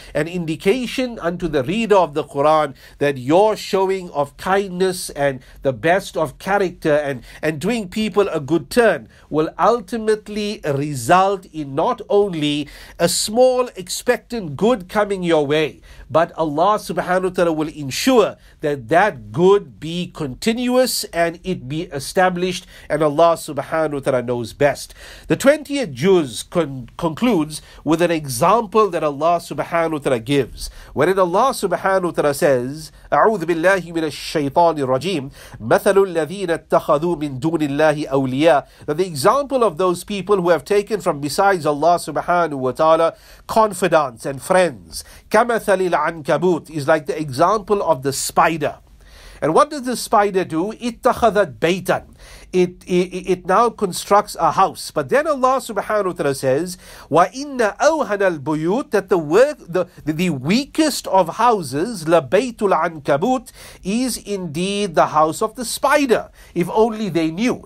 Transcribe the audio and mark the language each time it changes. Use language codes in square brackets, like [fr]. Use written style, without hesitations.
[en] An indication unto the reader of the Quran that your showing of kindness and the best of character and doing people a good turn will ultimately result in not only a small expectant good coming your way, but Allah subhanahu wa ta'ala will ensure that that good be continuous and it be established, and Allah subhanahu wa ta'ala knows best. The 20th juz concludes with an example that Allah subhanahu wa ta'ala gives. Wherein Allah subhanahu wa ta'ala says, [ar] أعوذ بالله من الشيطان الرجيم مثل الذين اتخذوا من دون الله أولياء. [en] That the example of those people who have taken from besides Allah subhanahu wa ta'ala confidants and friends, [ar] كمثل العنكبوت, [en] is like the example of the spider. And what does the spider do? [ar] اتخذت بيتا. [en] It now constructs a house. But then Allah subhanahu wa ta'ala says, [ar] وَإِنَّ أَوْهَنَ الْبُيُوتِ, [en] that the weakest of houses, [ar] لَبَيْتُ الْعَنْكَبُوتِ, [en] is indeed the house of the spider, if only they knew.